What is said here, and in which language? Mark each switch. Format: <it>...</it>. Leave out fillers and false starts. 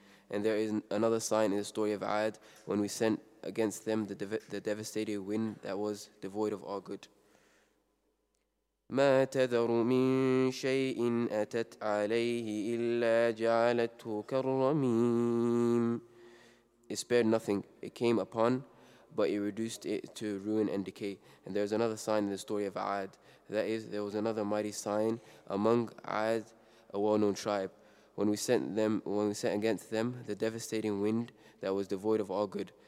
<en>And there is another sign in the story of Ad, when we sent against them the devastating wind that was devoid of all good.</en> <ar>ما تذر من شيء أتت عليه إلا جعلته كالرميم.</ar> <en>It spared nothing, it came upon, but it reduced it to ruin and decay. And there is another sign in the story of Ad. That is, there was another mighty sign among Ad, a well-known tribe, when we sent against them the devastating wind that was devoid of all good.</en>